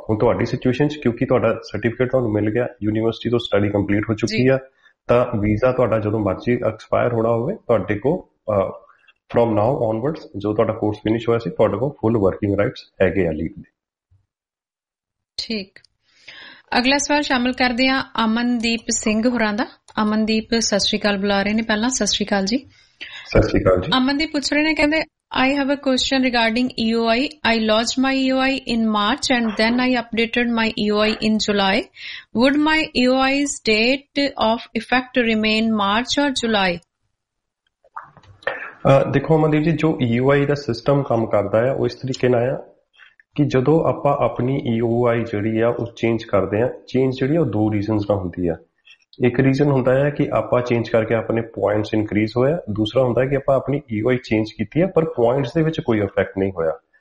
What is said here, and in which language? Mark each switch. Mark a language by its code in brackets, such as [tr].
[pa] ਹੁਣ ਤੁਹਾਡੀ ਸਿਚੁਏਸ਼ਨ ਚ ਕਿਉਂਕਿ ਤੁਹਾਡਾ ਸਰਟੀਫਿਕੇਟ ਤੁਹਾਨੂੰ ਮਿਲ ਗਿਆ, ਯੂਨੀਵਰਸਿਟੀ ਤੋਂ ਸਟੱਡੀ ਕੰਪਲੀਟ ਹੋ ਚੁੱਕੀ ਆ, ਤਾਂ ਵੀਜ਼ਾ ਤੁਹਾਡਾ ਜਦੋਂ ਮਰਜ਼ੀ ਐਕਸਪਾਇਰ ਹੋਣਾ ਹੋਵੇ ਤੁਹਾਡੇ ਕੋਲ [en] from now onwards [pa] ਜੋ ਤੁਹਾਡਾ ਕੋਰਸ ਫਿਨਿਸ਼ ਹੋਇਆ ਸੀ ਤੁਹਾਡੇ ਕੋਲ ਫੁੱਲ ਵਰਕਿੰਗ ਰਾਈਟਸ ਹੈਗੇ ਆ ਲੀਵ ਦੇ। ਠੀਕ, ਅਗਲਾ ਸਵਾਲ ਸ਼ਾਮਲ ਕਰਦੇ ਆ ਅਮਨਦੀਪ ਸਿੰਘ ਹੋਰਾਂ ਦਾ। ਅਮਨਦੀਪ ਸਤਿ ਸ੍ਰੀ ਅਕਾਲ ਬੁਲਾ ਰਹੇ ਨੇ ਪਹਿਲਾਂ, ਸਤਿ ਸ੍ਰੀ ਅਕਾਲ ਜੀ। ਸਤਿ ਸ੍ਰੀ ਅਕਾਲ ਜੀ। ਅਮਨਦੀਪ ਪੁੱਛ ਰਹੇ ਨੇ, ਕਹਿੰਦੇ [en] I have a question regarding EOI. I lodged my EOI in March and then I updated my EOI in July. Would my EOI's date of effect remain March or July? [pa] ਦੇਖੋ ਮਨਦੀਪ ਜੀ, ਜੋ EOI ਦਾ system ਕੰਮ ਕਰਦਾ ਹੈ ਉਹ ਇਸ ਤਰੀਕੇ ਨਾਲ ਆ ਕਿ ਜਦੋਂ ਆਪਾਂ ਆਪਣੀ EOI ਜਿਹੜੀ ਆ ਉਹ ਚੇਂਜ ਕਰਦੇ ਹਾਂ, ਚੇਂਜ ਜਿਹੜੀ ਉਹ ਦੋ ਰੀਜ਼ਨਸ ਦਾ ਹੁੰਦੀ ਆ। ਇੱਕ ਰੀਜ਼ਨ ਹੁੰਦਾ ਹੈ ਕਿ ਆਪਾਂ ਚੇਂਜ ਕਰਕੇ ਆਪਣੇ ਪੁਆਇੰਟਸ ਇਨਕਰੀਜ਼ ਹੋਇਆ, ਦੂਸਰਾ ਹੁੰਦਾ ਹੈ ਕਿ ਆਪਾਂ ਆਪਣੀ EOI ਚੇਂਜ ਕੀਤੀ ਹੈ ਪਰ ਪੁਆਇੰਟਸ ਦੇ ਵਿੱਚ ਕੋਈ ਇਫੈਕਟ ਨਹੀਂ ਹੋਇਆ।